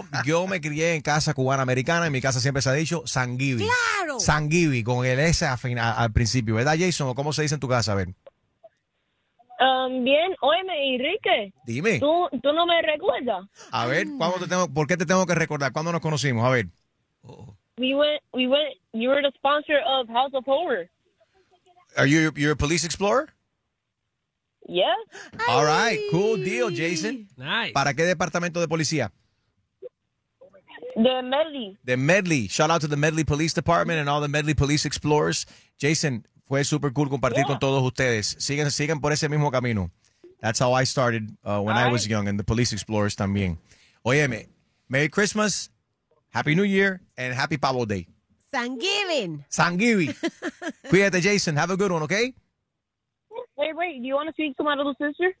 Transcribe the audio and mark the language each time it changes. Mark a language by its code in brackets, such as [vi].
[es] Yo me crié en casa cubana-americana, en mi casa siempre se ha dicho Thanksgiving. ¡Claro! Thanksgiving, con el S al principio, ¿verdad, Jason? ¿O cómo se dice en tu casa? A ver. Bien, óyeme, Enrique. Dime. ¿Tú no me recuerdas? A ver, ¿por qué te tengo que recordar? ¿Cuándo nos conocimos? A ver. [en] We went, you were the sponsor of House of Horror. Are you a police explorer? Yeah. All right, cool deal, Jason. Nice. [es] ¿Para qué departamento de policía? [en] The Medley. The Medley. Shout out to the Medley Police Department and all the Medley Police Explorers. [es] Jason, fue super cool compartir con todos ustedes. Sigan por ese mismo camino. [en] That's how I started when all I was young, and the police explorers también. Óyeme, Merry Christmas, Happy New Year, and Happy Pavo Day. Thanksgiving. [es] Cuídate, [en] Jason. Have a good one, okay? Wait. Do you want to speak to my little sister?